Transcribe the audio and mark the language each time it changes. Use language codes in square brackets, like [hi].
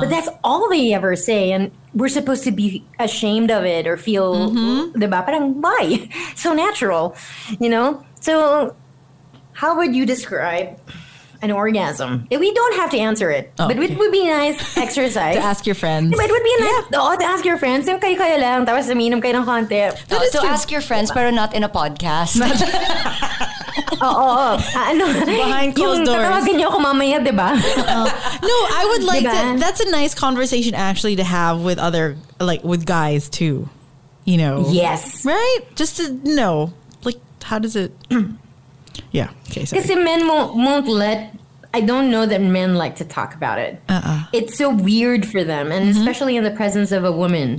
[en] But that's all they ever say. And we're supposed to be ashamed of it or feel, why? So natural, you know? So how would you describe an orgasm? We don't have to answer it, but it would be nice exercise. To ask your friends. But it would be nice to ask your friends. [tl] Yung kayo lang, tapos uminom kayo ng konti. [en] To ask your friends, pero not in a podcast. Behind closed doors. [tl] Yung tatawagin niyo ako mamaya, di ba? [en] No, I would like to. That's a nice conversation actually to have with other, like with guys too. You know? Yes. Right? Just to know. Like, how does it... Yeah. Okay. Because men won't let. I don't know that men like to talk about it. It's so weird for them, and especially in the presence of a woman.